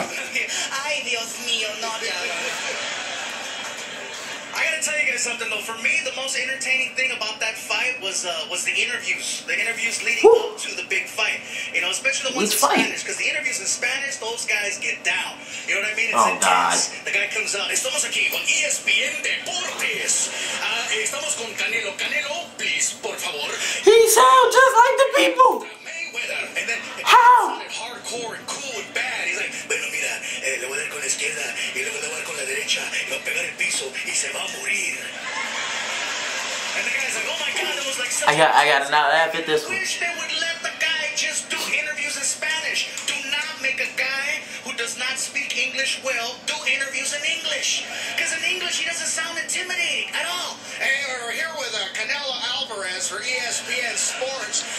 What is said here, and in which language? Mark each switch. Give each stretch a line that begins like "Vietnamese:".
Spanish: Ay, Dios mío, no.
English: I gotta tell you guys something, though. For me, the most entertaining thing about that fight was the interviews. The interviews leading up to the big fight. You know, especially the ones Spanish. Because the interviews in Spanish, those guys get down. You know what I mean? It's intense. God. The guy comes out.
Spanish: Estamos aquí con ESPN Deportes. Estamos con Canelo. Canelo,
English: please,
Spanish: por favor.
English: He sounds just like the people. And then hardcore and cool and bad. He's like,
Spanish: bueno, mira, le voy a dar con la izquierda y luego le voy a dar con la derecha y va a pegar el piso y se va a morir.
English: And the guy's like, oh my God, that was like such I gotta not laugh at this one. I wish they would let the guy just do interviews in Spanish. Do not make a guy who does not speak English well do interviews in English. Because in English, he doesn't sound intimidating at all. Hey, we're here with Canelo Alvarez for ESPN Sports.